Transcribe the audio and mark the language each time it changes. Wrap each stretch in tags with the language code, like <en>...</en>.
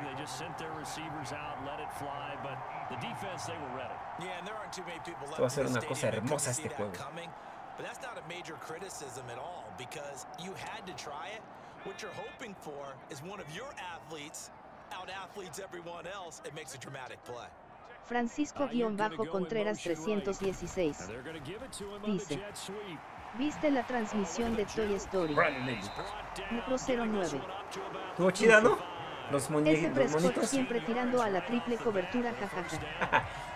<en>They just sent their receivers out, let it fly, but the defense, they were ready.</en> <es>Esto va a ser una cosa hermosa este juego.</es> <en>But that's not a major criticism at all, because you had to try it. What you're hoping for is one of your athletes out athletes everyone else. It makes a dramatic play.</en> <es>Francisco guión bajo Contreras 316 dice: ¿viste la transmisión de Toy Story? 09. ¿Tuvo chida, no? Los monitos siempre tirando a la triple cobertura, jajaja.</es>